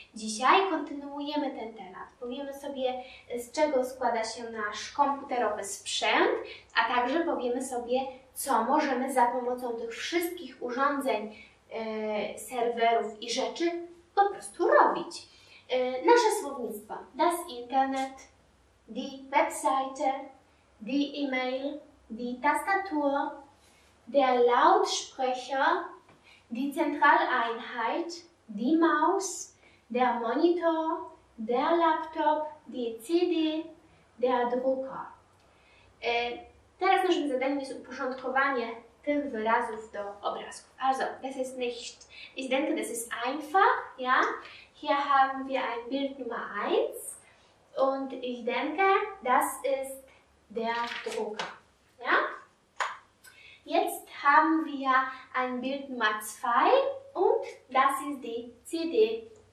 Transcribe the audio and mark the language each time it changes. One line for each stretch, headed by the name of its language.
Polish: Dzisiaj kontynuujemy ten temat. Powiemy sobie, z czego składa się nasz komputerowy sprzęt, a także powiemy sobie, co możemy za pomocą tych wszystkich urządzeń, serwerów i rzeczy po prostu robić. Nasze słownictwo:
German: das Internet, die Webseite, die E-Mail, die Tastatur, der Lautsprecher, die Zentraleinheit, die Maus, der Monitor, der Laptop, die CD, der Drucker.
Polish: Teraz naszym zadaniem jest uporządkowanie tych wyrazów do obrazków.
German: Also, das ist nicht. Ich denke, das ist einfach, ja? Hier haben wir ein Bild Nummer 1 und ich denke, das ist der Drucker. Ja? Jetzt haben wir ein Bild Nummer 2 und das ist die CD.